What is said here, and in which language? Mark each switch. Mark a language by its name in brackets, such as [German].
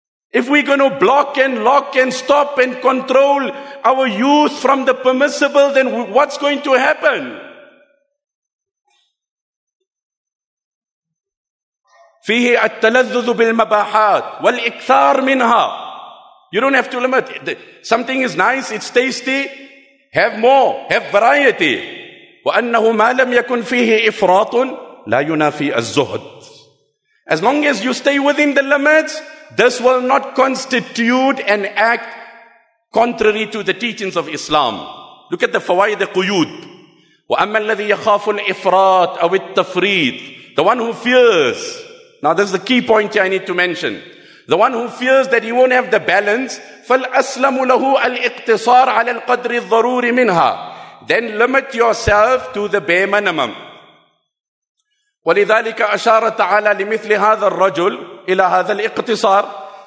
[English] If we're going to block and lock and stop and control our youth from the permissible, then what's going to happen? [Arabic] فيه التلذذ بالمباحات والإكثار منها. [English] You don't have to limit. Something is nice, it's tasty. Have more, have variety. [Arabic] وأنه ما لم يكن فيه إفراط لا ينافي الزهد. [English] As long as you stay within the limits, this will not constitute an act contrary to the teachings of Islam. Look at the فوائد قيود. [Arabic] وأما الذي يخاف الإفراط أو التفريط. [English] The one who fears. Now this is the key point I need to mention. The one who fears that he won't have the balance, [Arabic] فَالْأَسْلَمُ لَهُ الْإِقْتِصَارَ عَلَى الْقَدْرِ الضَّرُورِ مِنْهَا. [English] Then limit yourself to the bare minimum. [Arabic] وَلِذَلِكَ أَشَارَ تَعَالَى لِمِثْلِ هَذَا الرَّجُلِ إِلَى هَذَا الْإِقْتِصَارِ.